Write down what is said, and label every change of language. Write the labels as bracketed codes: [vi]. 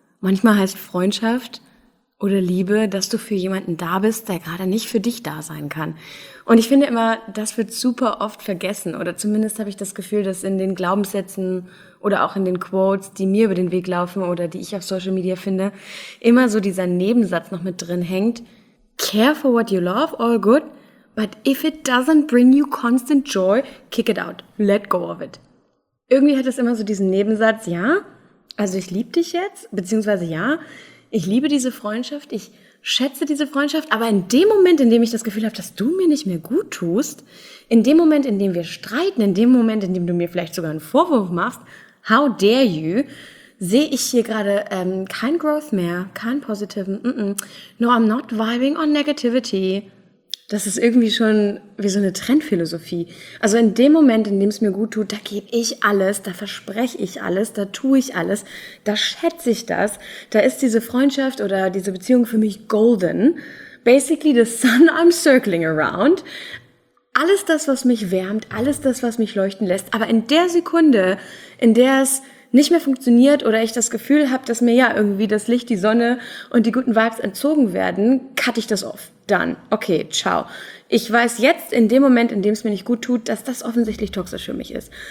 [de] Manchmal heißt Freundschaft oder Liebe, dass du für jemanden da bist, der gerade nicht für dich da sein kann. Und ich finde immer, das wird super oft vergessen. Oder zumindest habe ich das Gefühl, dass in den Glaubenssätzen oder auch in den Quotes, die mir über den Weg laufen oder die ich auf Social Media finde, immer so dieser Nebensatz noch mit drin hängt. [en] Care for what you love, all good. But if it doesn't bring you constant joy, kick it out. Let go of it. [de] Irgendwie hat das immer so diesen Nebensatz, ja, also ich liebe dich jetzt, beziehungsweise ja, ich liebe diese Freundschaft, ich schätze diese Freundschaft, aber in dem Moment, in dem ich das Gefühl habe, dass du mir nicht mehr gut tust, in dem Moment, in dem wir streiten, in dem Moment, in dem du mir vielleicht sogar einen Vorwurf machst, [en] how dare you, [de] sehe ich hier gerade kein Growth mehr, kein Positiven, [en] no, I'm not vibing on negativity. [de] Das ist irgendwie schon wie so eine Trendphilosophie. Also in dem Moment, in dem es mir gut tut, da gebe ich alles, da verspreche ich alles, da tue ich alles, da schätze ich das. Da ist diese Freundschaft oder diese Beziehung für mich golden. [en] Basically the sun I'm circling around. [de] Alles das, was mich wärmt, alles das, was mich leuchten lässt. Aber in der Sekunde, in der es nicht mehr funktioniert oder ich das Gefühl habe, dass mir ja irgendwie das Licht, die Sonne und die guten Vibes entzogen werden, cutte ich das off. Dann, okay, ciao. Ich weiß jetzt in dem Moment, in dem es mir nicht gut tut, dass das offensichtlich toxisch für mich ist.